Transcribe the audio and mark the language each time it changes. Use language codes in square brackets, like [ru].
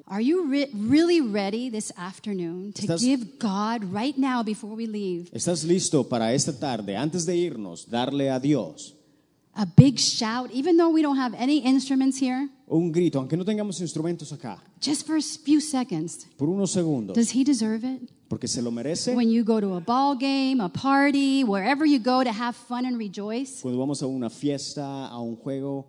[en] Are you really ready this afternoon to give God right now before we leave? [es] ¿Estás listo para esta tarde, antes de irnos, darle a Dios? [en] A big shout, even though we don't have any instruments here. [es] Un grito, aunque no tengamos instrumentos acá. [en] Just for a few seconds. [es] Por unos segundos. [en] Does he deserve it? [es] Porque se lo merece. [en] When you go to a ball game, a party, wherever you go to have fun and rejoice. [es] Cuando vamos a una fiesta, a un juego.